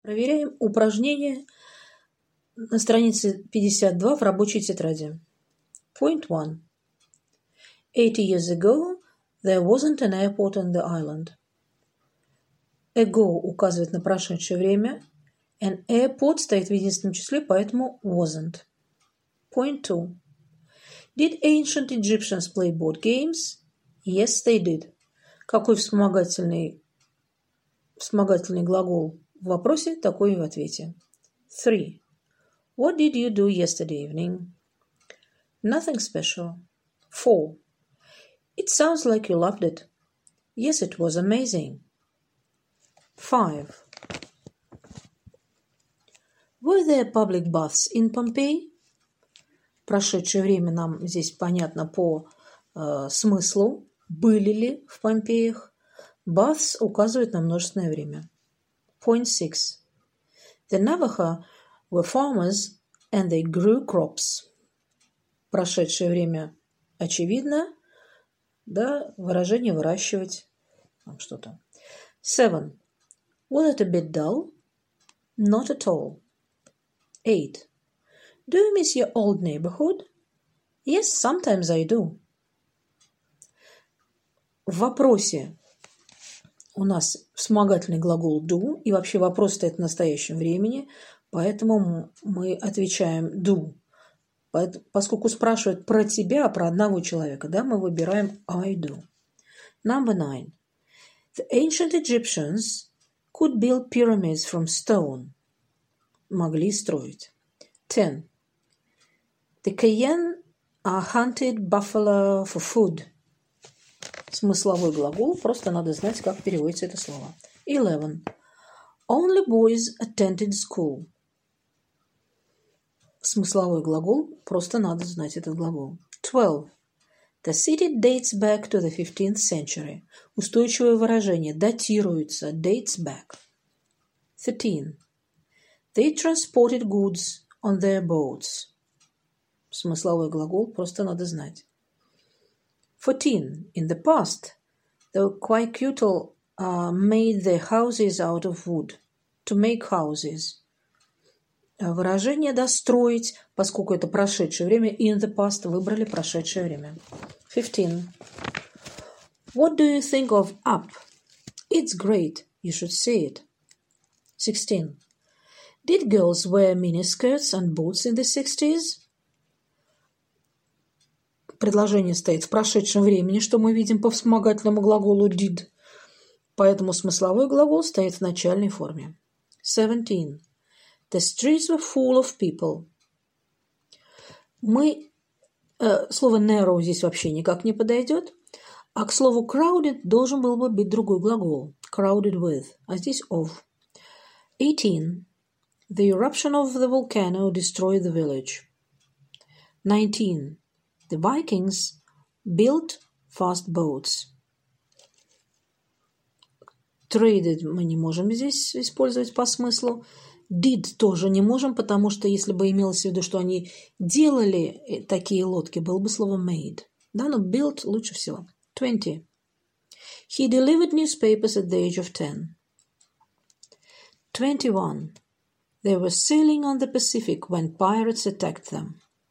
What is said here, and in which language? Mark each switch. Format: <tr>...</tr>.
<ru>Проверяем упражнение на странице 52 в рабочей тетради.</ru> <en>Point 1. 80 years ago, there wasn't an airport on the island. Ago</en> <ru>указывает на прошедшее время.</ru> <en>An airport</en> <ru>стоит в единственном числе, поэтому</ru> <en>wasn't. Point 2. Did ancient Egyptians play board games? Yes, they did.</en> <ru>Какой вспомогательный глагол в вопросе, такой и в ответе. 3.</ru> <en>What did you do yesterday evening? Nothing special. 4. It sounds like you loved it. Yes, it was amazing. 5. Were there public baths in Pompeii?</en> <ru>Прошедшее время нам здесь понятно по смыслу. Были ли в Помпеях?</ru> <en>Baths</en> <ru>указывает на множественное время.</ru> <en>Point 6. The Navajo were farmers and they grew crops.</en> <ru>Прошедшее время очевидно. Да, выражение выращивать. Там что-то. 7.</ru> <en>Was it a bit dull? Not at all. 8. Do you miss your old neighborhood? Yes, sometimes I do.</en> <ru>В вопросе у нас вспомогательный глагол</ru> <en>do,</en> <ru>и вообще вопрос стоит в настоящем времени, поэтому мы отвечаем do. Поскольку спрашивают про тебя, про одного человека, да, мы выбираем</ru> <en>I do. Number 9. The ancient Egyptians could build pyramids from stone.</en> <ru>Могли строить. 10.</ru> <en>The Cayenne are hunted buffalo for food.</en> <ru>Смысловой глагол, просто надо знать, как переводится это слово. 11.</ru> <en>Only boys attended school.</en> <ru>Смысловой глагол, просто надо знать этот глагол. 12.</ru> <en>The city dates back to the 15th century.</en> <ru>Устойчивое выражение, датируется,</ru> <en>dates back. 13. They transported goods on their boats.</en> <ru>Смысловой глагол, просто надо знать. 14.</ru> <en>In the past, the Quakutl made their houses out of wood, to make houses.</en> <ru>Выражение «достроить», поскольку это прошедшее время,</ru> <en>in the past</en> <ru>выбрали прошедшее время.</ru> <en>15. What do you think of up? It's great, you should see it. 16. Did girls wear miniskirts and boots in the 60s?</en> <ru>Предложение стоит в прошедшем времени, что мы видим по вспомогательному глаголу</ru> <en>did.</en> <ru>Поэтому смысловой глагол стоит в начальной форме. 17.</ru> <en>The streets were full of people.</en> <ru>Слово</ru> <en>narrow</en> <ru>здесь вообще никак не подойдет. А к слову</ru> <en>crowded</en> <ru>должен был бы быть другой глагол.</ru> <en>Crowded with.</en> <ru>А здесь</ru> <en>of. 18. The eruption of the volcano destroyed the village. 19. The Vikings built fast boats. Traded</en> <ru>мы не можем здесь использовать по смыслу.</ru> <en>Did</en> <ru>тоже не можем, потому что если бы имелось в виду, что они делали такие лодки, было бы слово</ru> <en>made.</en> <ru>Да, но</ru> <en>built</en> <ru>лучше всего. 20.</ru> <en>He delivered newspapers at the age of 10. 21. They were sailing on the Pacific when pirates attacked them.</en>